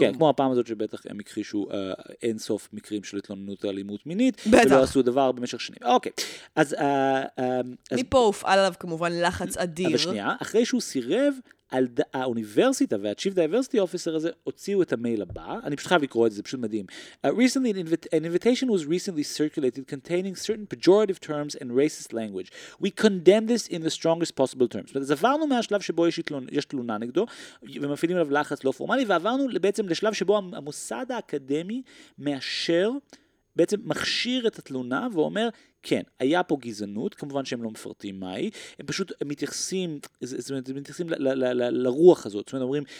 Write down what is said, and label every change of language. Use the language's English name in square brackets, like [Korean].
[Hebrew] כן, כמו הפעם הזאת שבטח הם הכחישו אינסוף מקרים של התלוננות אלימות מינית. בטח. ולא עשו דבר במשך שנים. אוקיי. אז... מפה הופעל עליו כמובן לחץ אדיר. אבל שנייה, אחרי שהוא סירב, האוניברסיטה והצ'יף דייברסיטי אופיסר הזה הוציאו את המייל הבא. אני פשוט חייב לקרוא את זה, זה פשוט מדהים. [English] Recently, an invitation was recently circulated containing certain pejorative terms and racist language. We condemn this in the strongest possible terms. [Hebrew] אז עברנו מהשלב שבו יש תלונה נגדו, ומפעילים עליו לחץ לא פורמלי, ועברנו בעצם לשלב שבו המוסד האקדמי מאשר, בעצם מכשיר את התלונה ואומר, כן, היה פה גזענות, כמובן שהם לא מפרטים מהי, הם פשוט מתייחסים, זאת אומרת, מתייחסים לרוח הזאת, זאת אומרת, אומרים,